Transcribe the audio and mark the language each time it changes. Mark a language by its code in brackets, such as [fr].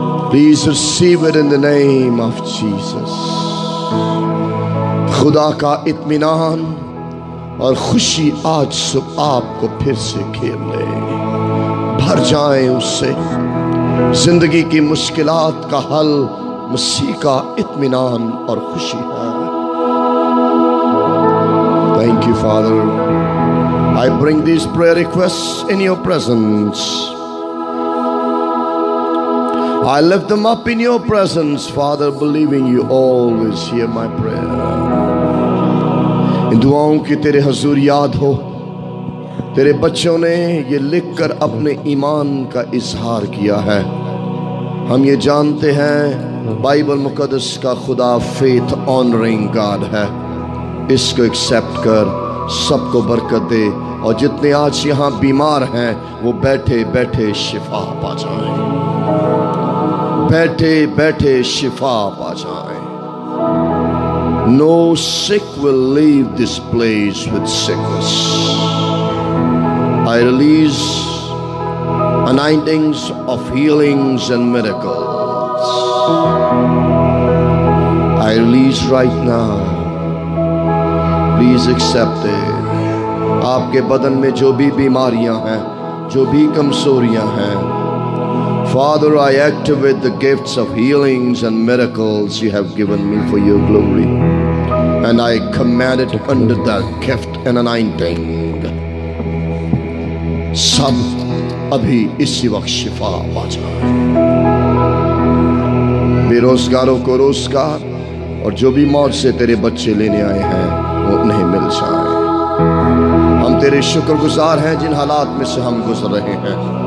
[en] Please receive it in the name of Jesus. [hi] Khuda ka itminan aur khushi aaj sub aapko phir se kheel le. Bhar jaye usse zindagi ki mushkilat ka hal मसीह का इत्मीनान और खुशी है. [en] Thank you father. I bring this prayer request in your presence. I lift them up in your presence father, believing you always hear my prayer. [hi] इन दुआओं की तेरे हजूर याद हो. तेरे बच्चों ने ये लिखकर अपने ईमान का इजहार किया है. हम ये जानते हैं बाइबल मुकद्दस का खुदा [en] faith honoring God [hi] है. इसको एक्सेप्ट कर, सबको बरकत दे और जितने आज यहाँ बीमार हैं वो बैठे बैठे शिफा पा जाएं, बैठे बैठे शिफा पा जाएं. [en] No sick will leave this place with sickness. I release anointings of healings and miracles. I release right now. Please accept it. [hi] आपके बदन में जो भी बीमारियां हैं, जो भी कमजोरियां हैं, [en] Father, I activate the gifts of healings and miracles you have given me for your glory. And I command it under that gift and anointing. [hi] सब अभी इसी वक्त शिफा आ जाए. बेरोजगारों को रोजगार और जो भी मौत से तेरे बच्चे लेने आए हैं वो उन्हें मिल जाए. हम तेरे शुक्रगुजार हैं जिन हालात में से हम गुजर रहे हैं.